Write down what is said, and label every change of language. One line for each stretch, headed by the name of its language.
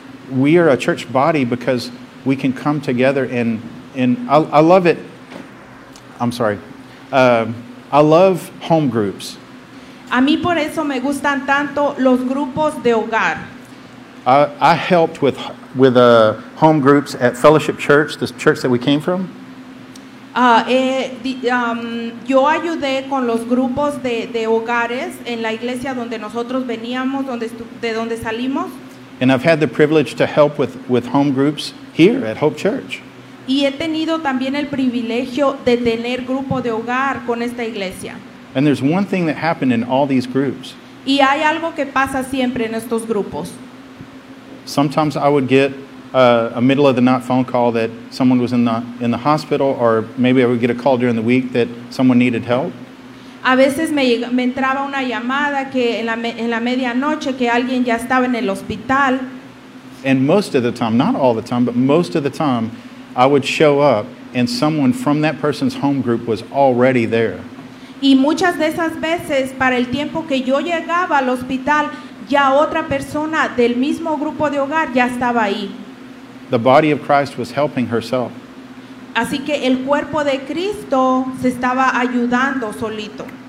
English: We are a church body because we can come together and I love it. I'm sorry. I love home groups.
Spanish: A mí por eso me gustan tanto los grupos de hogar.
English: I helped with home groups at Fellowship Church, the church that we came from.
Spanish: Yo ayudé con los grupos de hogares en la iglesia donde nosotros veníamos, de donde salimos.
English: And I've had the privilege to help with home groups here at Hope Church.
Spanish: Y he tenido también el privilegio de tener grupo de hogar con esta iglesia.
English: And there's one thing that happened in all these groups.
Spanish: Y hay algo que pasa siempre en estos grupos.
English: Sometimes I would get a middle of the night phone call that someone was in the hospital, or maybe I would get a call during the week that someone needed help.
Spanish: A veces me entraba una llamada que en la medianoche que alguien ya estaba en el hospital.
English: And most of the time, not all the time, but most of the time, I would show up and someone from that person's home group was already there.
Spanish: Y muchas de esas veces, para el tiempo que yo llegaba al hospital, ya otra persona del mismo grupo de hogar ya estaba ahí.
English: The body of Christ was helping herself.
Spanish: Así que el cuerpo de Cristo se estaba ayudando solito.